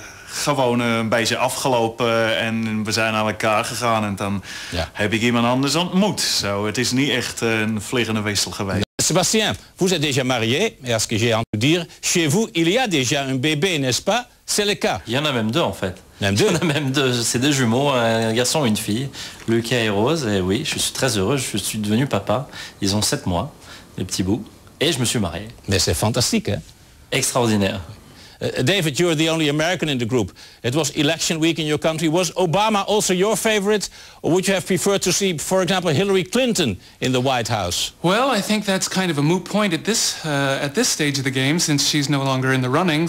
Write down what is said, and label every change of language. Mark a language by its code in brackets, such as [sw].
[nl] Gewoon een beetje afgelopen en we zijn aan elkaar gegaan en dan ja. Heb ik iemand anders ontmoet. Zo, het is niet echt een vliegende wissel geweest. [fr] Sébastien, vous êtes déjà marié, et à ce que j'ai entendu dire, chez vous, il y a déjà un bébé, n'est-ce pas? C'est le cas. Il y en a même deux, en fait. Même deux? Il y en a même deux, c'est des jumeaux, un garçon et une fille, Lucas et Rose, et oui, je suis très heureux, je suis devenu papa. Ils ont 7 mois, les petits bouts, et je me suis marié. Mais c'est fantastique, hein? Extraordinaire. [en] David, you're the only American in the group. It was election week in your country. Was Obama also your favorite? Or would you have preferred to see, for example, Hillary Clinton in the White House? Well, I think that's kind of a moot point at this stage of the game, since she's no longer in the running.